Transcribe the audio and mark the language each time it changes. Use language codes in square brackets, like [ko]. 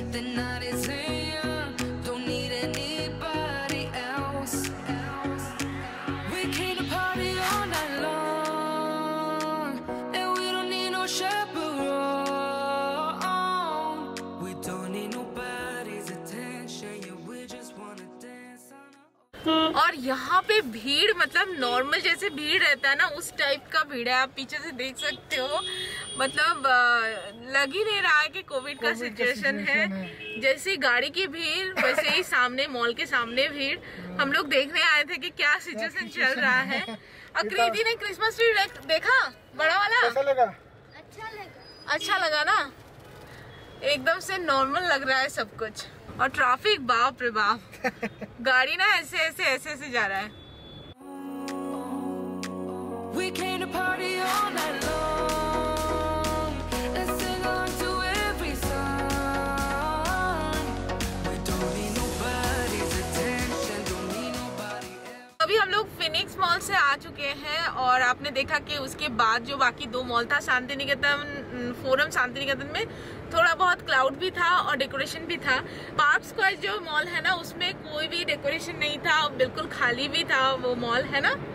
[en] The night is young, don't need anybody else. We came to party all night long, and we don't need no chaperone. We don't need nobody's attention. Yeah, we just wanna dance on our own. [hi] और यहाँ पे भीड़, मतलब normal जैसे भीड़ रहता है ना, उस टाइप का भीड़ है. आप पीछे से देख सकते हो, मतलब लग ही नहीं रहा है कि कोविड का सिचुएशन है. जैसे गाड़ी की भीड़ वैसे ही सामने मॉल के सामने भीड़. हम लोग देखने आए थे कि क्या सिचुएशन चल रहा है. और कृति ने क्रिसमस ट्री देखा, बड़ा वाला. अच्छा लगा ना, एकदम से नॉर्मल लग रहा है सब कुछ. और ट्रैफिक, बाप रे बाप. गाड़ी ना ऐसे ऐसे ऐसे ऐसे जा रहा है. [en] We came to party all night long and sing along to every song. We don't need nobody's attention, don't need nobody. [hi] अभी हम लोग फिनिक्स मॉल से आ चुके हैं, और आपने देखा कि उसके बाद जो बाकी दो मॉल था, शांतिनिकेतन फोरम, शांतिनिकेतन में थोड़ा बहुत क्लाउड भी था और डेकोरेशन भी था. पार्क स्क्वायर जो मॉल है ना, उसमें कोई भी डेकोरेशन नहीं था, बिल्कुल खाली भी था वो मॉल, है ना.